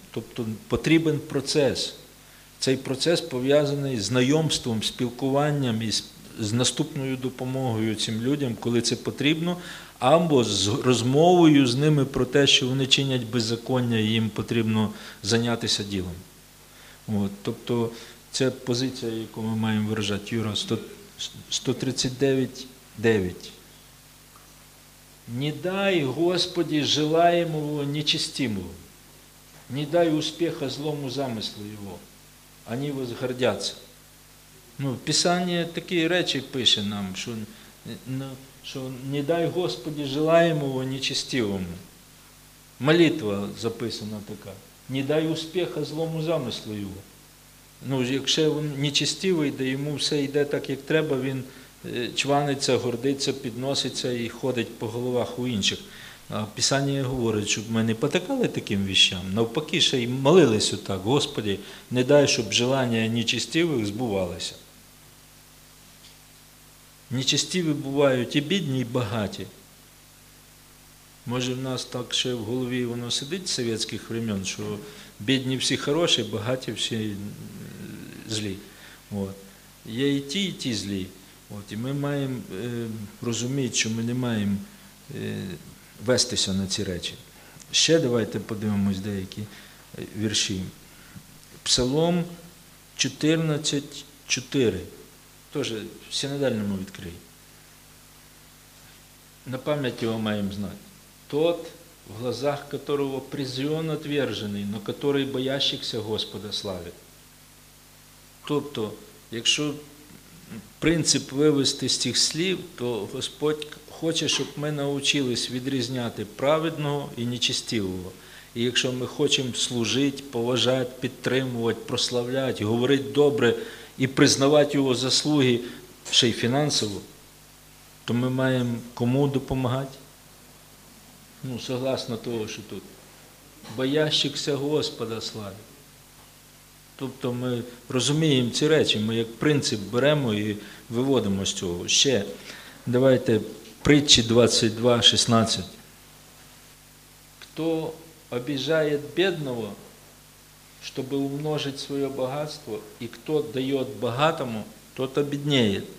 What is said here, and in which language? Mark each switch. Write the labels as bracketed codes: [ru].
[uk] Тобто потрібен процес. Цей процес пов'язаний з знайомством, спілкуванням і з наступною допомогою цим людям, коли це потрібно, або з розмовою з ними про те, що вони чинять беззаконня і їм потрібно зайнятися ділом. От. Тобто це позиція, яку ми маємо виражати. Юра, 139.9. [ru] Не дай, Господи, желаемого нечестивого, не дай успеха злому замыслу его, они возгордятся. [uk] Ну, Писание такие речи пише нам, що [ru] не дай, Господи, желаемого нечестивому. [uk] Молитва записана така. [ru] Не дай успеха злому замыслу его. [uk] Ну, якщо він нечестивий, де йому все йде так, як треба, він чваниться, гордиться, підноситься і ходить по головах у інших. А Писання говорить, щоб ми не потакали таким віщам, навпаки, ще й молились отак, Господи, не дай, щоб желання нечестивих збувалося. Нечестиві бувають і бідні, і багаті. Може, в нас так ще в голові воно сидить з совєтських времен, що бідні всі хороші, багаті всі злі. От. Є і ті злі. От. І ми маємо розуміти, що ми не маємо вестися на ці речі. Ще давайте подивимось деякі вірші. Псалом 14.4. Теж в синодальному відкрий. На пам'ять його маємо знати. [ru] Тот, в глазах которого призван отверженный, но который боящихся Господа славит. [uk] Тобто, якщо принцип вивести з цих слів, то Господь хоче, щоб ми навчились відрізняти праведного і нечестивого. І якщо ми хочемо служити, поважати, підтримувати, прославляти, говорити добре і признавати його заслуги, ще й фінансово, то ми маємо кому допомагати? Ну, согласно того, що тут. [ru] Боящихся Господа славить. [uk] Тобто ми розуміємо ці речі, ми як принцип беремо і виводимо з цього. Ще, давайте, притчі 22.16. Хто обіжає бідного, щоб умножити своє багатство, і хто дає багатому, тот обідніє.